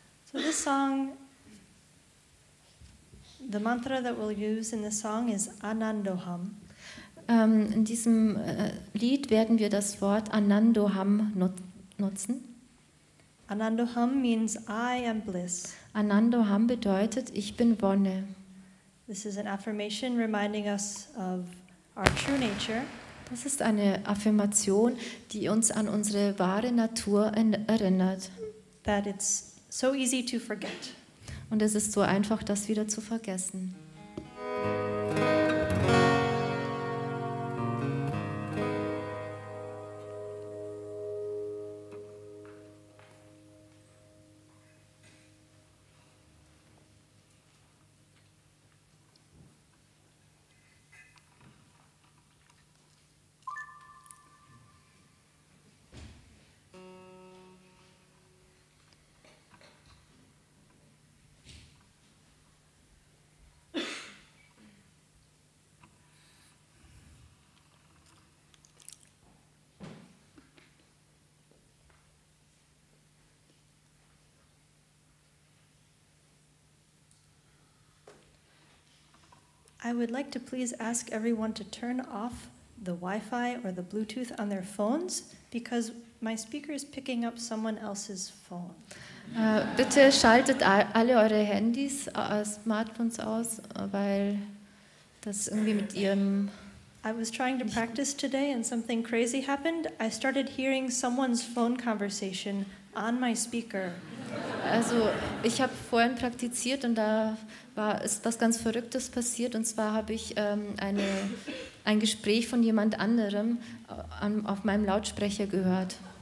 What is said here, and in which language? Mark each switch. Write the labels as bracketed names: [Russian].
[English] So this song, the mantra that we'll use in the song is Anandoham. [German] In diesem Lied werden wir das Wort Anandoham nutzen. [English] Anandoham means I am bliss. [German] Anandoham bedeutet, ich bin Wonne. [English] This is an affirmation reminding us of our true nature. [German] Das ist eine Affirmation, die uns an unsere wahre Natur erinnert. [English] That it's so easy to forget. [German] Und es ist so einfach, das wieder zu vergessen. [English] I would like to please ask everyone to turn off the Wi-Fi or the Bluetooth on their phones, because my speaker is picking up someone else's phone. [German] Bitte schaltet alle eure Handys, Smartphones aus, weil das irgendwie mit ihrem... [English] I was trying to practice today and something crazy happened. I started hearing someone's phone conversation on my speaker. [German] Also, ich habe vorhin praktiziert und da war ist was ganz Verrücktes passiert. Und zwar habe ich ein Gespräch von jemand anderem auf meinem Lautsprecher gehört.